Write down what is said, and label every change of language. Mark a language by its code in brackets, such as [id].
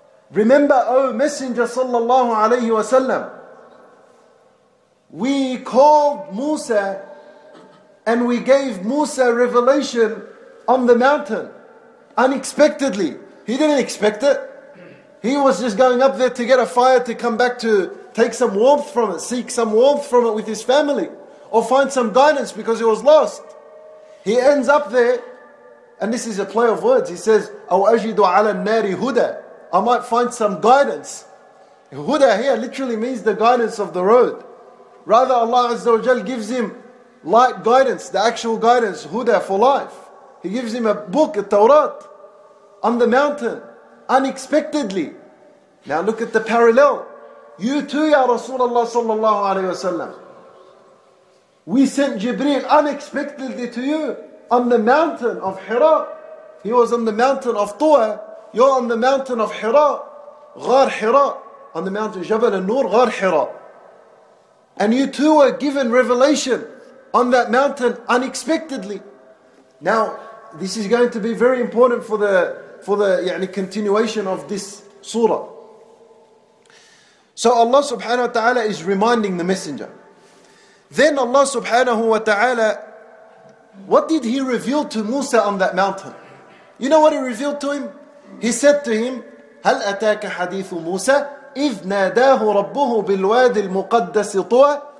[en] Remember, O Messenger sallallahu alayhi wa sallam, we called Musa and we gave Musa revelation on the mountain unexpectedly. He didn't expect it. He was just going up there to get a fire to come back to take some warmth from it, seek some warmth from it with his family, or find some guidance because he was lost. He ends up there, and this is a play of words. He says, [ar] أَوْ أَجِدُ عَلَى النَّارِ هُدَى. [en] I might find some guidance. Huda here literally means the guidance of the road. Rather, Allah Azza wa Jal gives him light guidance, the actual guidance, Huda for life. He gives him a book, a Tawrat, on the mountain, unexpectedly. Now look at the parallel. You too, Ya Rasulullah sallallahu alayhi wa sallam. We sent Jibreel unexpectedly to you on the mountain of Hira. He was on the mountain of Tua. You're on the mountain of Hira. Ghar Hira. On the mountain of Jabal al-Nur, Ghar Hira. And you too were given revelation on that mountain unexpectedly. Now, this is going to be very important for the يعني, continuation of this surah. So Allah subhanahu wa ta'ala is reminding the messenger. Then Allah subhanahu wa ta'ala, what did he reveal to Musa on that mountain? You know what he revealed to him? He said to him, [ar] هَلْ أَتَاكَ حَدِيثُ مُوسَى إِذْ نَادَاهُ رَبُّهُ بِالْوَادِ الْمُقَدَّسِ طُوَى.